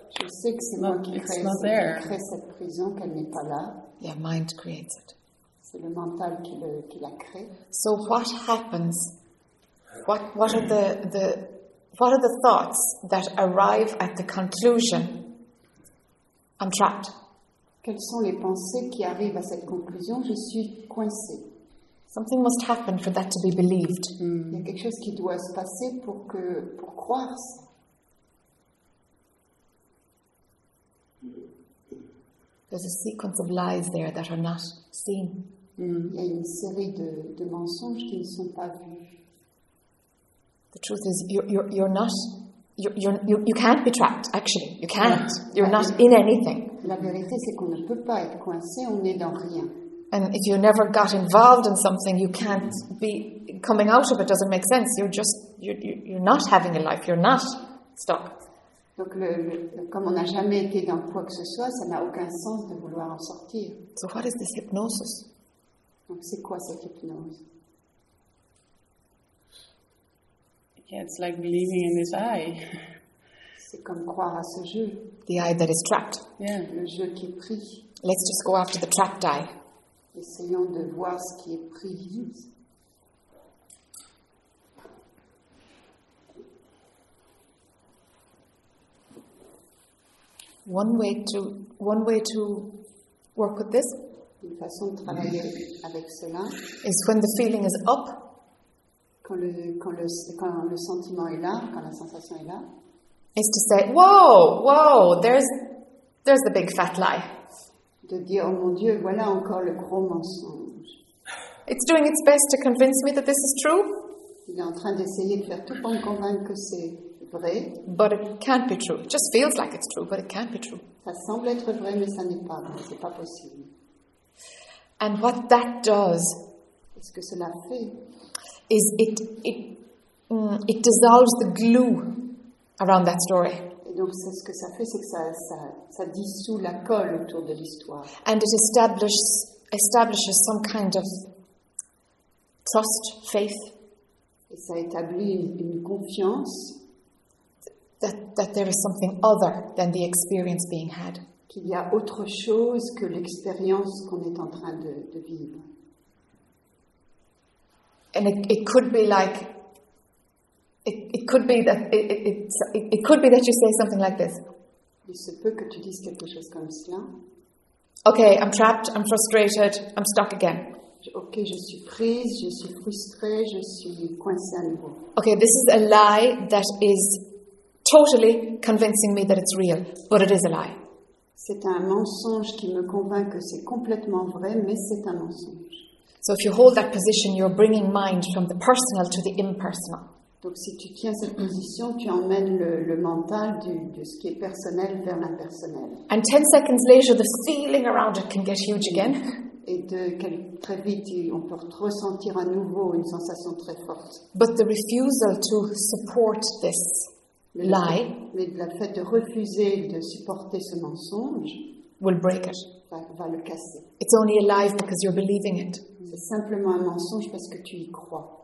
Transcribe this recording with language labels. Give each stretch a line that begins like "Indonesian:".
French: Je sais que c'est moi qui crée cette prison, qu'elle n'est pas là.
English: Yeah, mind creates it.
French: C'est le mental qui la crée.
English: So what happens? What are the thoughts that arrive at the conclusion? I'm trapped.
French: Quelles sont les pensées qui arrivent à cette conclusion? Je suis coincée.
English: Something must happen for that to be believed.
French: Il y a quelque chose qui doit se passer pour croire ça.
English: There's a sequence of lies there that are not seen.
French: Il y a une série de mensonges qui ne sont pas vus.
English: The truth is, you can't be trapped. Actually, you can't. You're not in anything.
French: La vérité, c'est qu'on ne peut pas être coincé. On n'est dans rien.
English: And if you never got involved in something, you can't be coming out of it. Doesn't make sense. You're not having a life. You're not stuck.
French: Donc, comme on n'a jamais été dans quoi que ce soit, ça n'a aucun sens de vouloir en sortir.
English: So what is this hypnosis?
French: Donc, c'est quoi cette hypnose?
English: Yeah, it's like believing in this eye.
French: C'est comme croire à ce jeu.
English: The eye that is trapped. Yeah.
French: Le jeu qui est pris.
English: Let's just go after the trapped eye.
French: Essayons de voir ce qui est pris.
English: One way to work with this
French: une façon de travailler avec cela,
English: is when the feeling is up.
French: Quand le sentiment est là, quand la sensation est là,
English: is to say, whoa, there's the big fat lie.
French: De dire, oh mon Dieu, voilà encore le gros mensonge.
English: It's doing its best to convince me that this is true.
French: Il est en train d'essayer de faire tout pour me convaincre que c'est vrai.
English: But it can't be true. It just feels like it's true, but it can't be true.
French: Ça semble être vrai, mais ça n'est pas vrai. C'est pas possible.
English: And what that does,
French: ce que cela fait,
English: is it dissolves the glue around that story.
French: Et donc c'est ce que ça fait, c'est que ça dissout la colle autour de l'histoire.
English: And it establishes some kind of trust, faith.
French: Et ça établit une confiance
English: that there is something other than the experience being had.
French: Qu'il y a autre chose que l'expérience qu'on est en train de vivre.
English: And it could be that you say something like this.
French: Il se peut que tu dises quelque chose comme cela.
English: Okay, I'm trapped, I'm frustrated, I'm stuck again.
French: Okay, je suis prise, je suis frustrée, je suis coincée à nouveau.
English: Okay, this is a lie that is totally convincing me that it's real, but it is a lie.
French: C'est un mensonge qui me convainc que c'est complètement vrai, mais c'est un mensonge.
English: So if you hold that position, you're bringing mind from the personal to the impersonal.
French: Donc si tu tiens cette position, tu emmènes le mental de ce qui est personnel vers l'impersonnel.
English: And 10 seconds later, the feeling around it can get huge again.
French: Et très vite, on peut ressentir à nouveau une sensation très forte.
English: But the refusal to support this lie,
French: mais le fait de refuser de supporter ce mensonge,
English: will break it.
French: Va le casser.
English: It's only a lie because you're believing it.
French: C'est simplement un mensonge parce que tu y crois.